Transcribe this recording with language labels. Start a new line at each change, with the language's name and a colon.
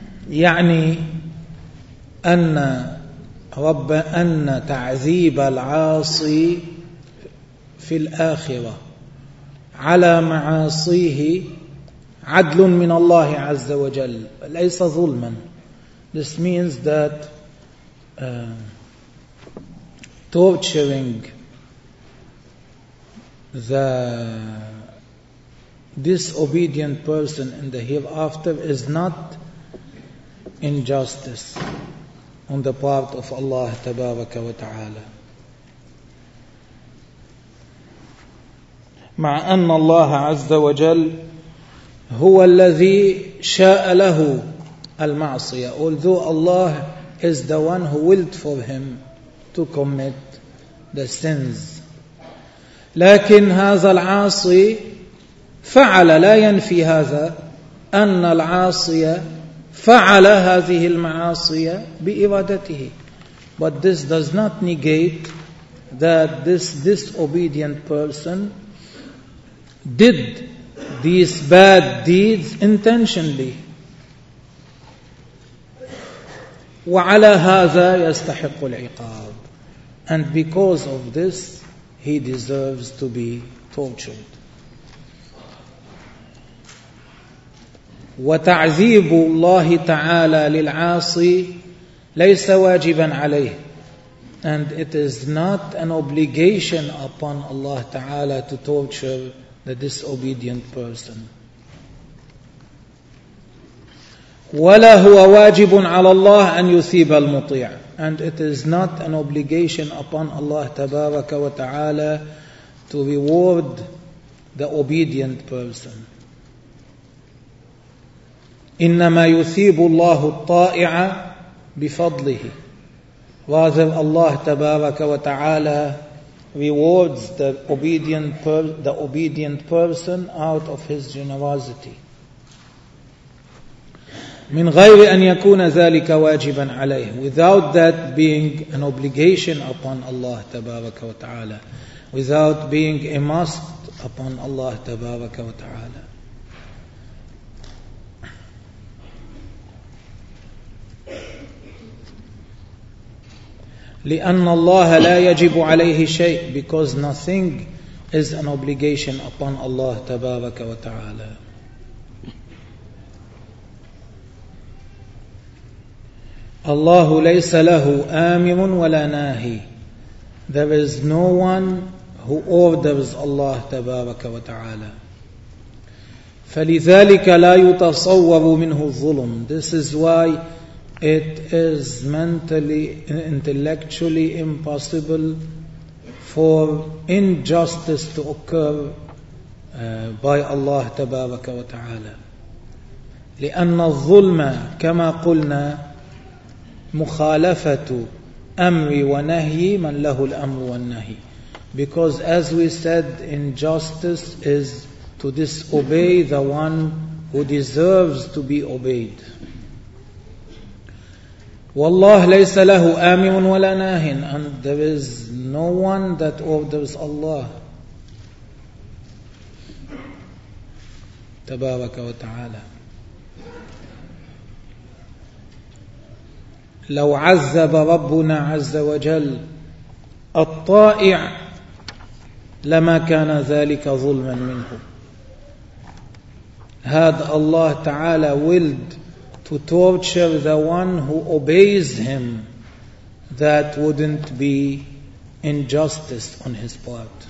Arabic: يعني أن رب أن تعذيب العاصي في الآخرة على معاصيه عدل من الله عز وجل ليس ظلما.
English: This means that torturing the disobedient person in the hereafter is not injustice on the part of Allah تبارك وتعالى.
Arabic: مع أن الله عز وجل هو الذي شاء له المعصية.
English: Although Allah is the one who willed for him to commit the sins.
Arabic: لكن هذا العاصي فعل، لا ينفي هذا أن العاصية فعل هذه المعاصية بإرادته.
English: But this does not negate that this disobedient person did these bad deeds intentionally.
Arabic: وعلى هذا يستحق العقاب.
English: And because of this, he deserves to be tortured.
Arabic: وتعذيب الله تعالى للعاصي ليس واجبا عليه.
English: And it is not an obligation upon Allah تعالى to torture the disobedient person.
Arabic: ولا هو واجب على الله أن يثيب المطيع.
English: And it is not an obligation upon Allah تبارك وتعالى to reward the obedient person.
Arabic: إنما يثيب الله الطائع بفضله.
English: Rather, Allah تبارك وتعالى rewards the obedient person out of his generosity.
Arabic: من غير أن يكون ذلك واجبا عليه.
English: Without that being an obligation upon Allah تبارك وتعالى. Without being a must upon Allah تبارك وتعالى.
Arabic: لأن الله لا يجب عليه شيء.
English: Because nothing is an obligation upon Allah تبارك وتعالى.
Arabic: الله ليس له آمر ولا ناهي.
English: There is no one who orders Allah تبارك وتعالى.
Arabic: فلذلك لا يتصور منه الظلم.
English: This is why it is mentally, intellectually impossible for injustice to occur by Allah تبارك وتعالى.
Arabic: لأن الظلم كما قلنا مخالفة أمر ونهي من له الأمر والنهي.
English: Because as we said, injustice is to disobey the one who deserves to be obeyed.
Arabic: والله ليس له آمر ولا ناهٍ.
English: And there is no one that orders Allah تبارك وتعالى.
Arabic: لو عذب ربنا عز وجل الطائع لما كان ذلك ظلما منه.
English: Had Allah تعالى willed to torture the one who obeys him, that wouldn't be injustice on his part.